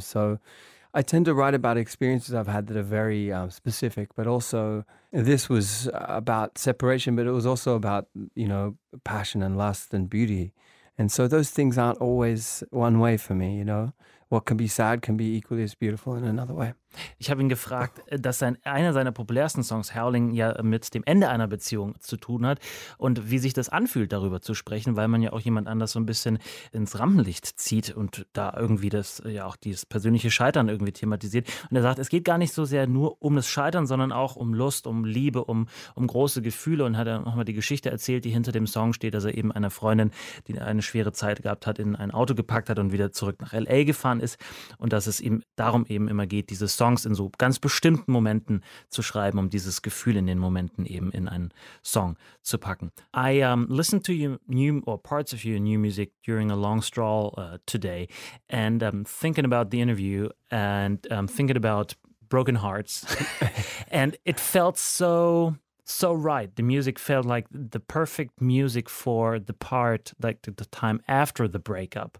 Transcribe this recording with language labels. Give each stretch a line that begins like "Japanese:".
English: So I tend to write about experiences I've had that are very specific, but also this was about separation, but it was also about, you know, passion and lust and beauty. And so those things aren't always one way for me, you know. What can be sad can be equally as beautiful in another way.
German: Ich habe ihn gefragt, dass einer seiner populärsten Songs, Howling, ja mit dem Ende einer Beziehung zu tun hat und wie sich das anfühlt, darüber zu sprechen, weil man ja auch jemand anders so ein bisschen ins Rampenlicht zieht und da irgendwie das ja auch dieses persönliche Scheitern irgendwie thematisiert. Und er sagt, es geht gar nicht so sehr nur um das Scheitern, sondern auch um Lust, um Liebe, um große Gefühle. Und hat dann nochmal die Geschichte erzählt, die hinter dem Song steht, dass er eben einer Freundin, die eine schwere Zeit gehabt hat, in ein Auto gepackt hat und wieder zurück nach L.A. gefahren ist. Und dass es ihm darum eben immer geht, dieses Songs in so ganz bestimmten Momenten zu schreiben, um dieses Gefühl in den Momenten eben in einen Song zu packen.
English: I listened to your new or parts of your new music during a long stroll today, and thinking about the interview and thinking about broken hearts, and it felt so right. The music felt like the perfect music for the part, like the time after the breakup.